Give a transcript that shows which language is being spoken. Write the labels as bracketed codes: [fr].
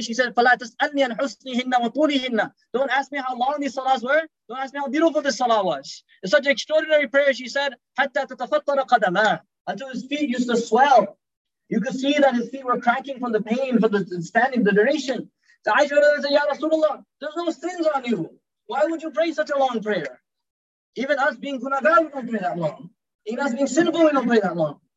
[en] She said, [ar] فَلَا تَسْأَلْنِي أَنْ حُسْنِهِنَّ وَطُولِهِنَّ. [en] Don't ask me how long these salahs were. Don't ask me how beautiful this salah was. It's such an extraordinary prayer. She said, [ar] حَتَّى تَتَفَطَّرَ قَدَمَا. [en] Until his feet used to swell. You could see that his feet were cracking from the pain, from the standing, the duration. So Aisha radiallahu anha said, Ya Rasulullah, there's no sins on you. Why would you pray such a long prayer? Even us being gunagar, we don't pray that long. Even us being sinful, we don't pray that long.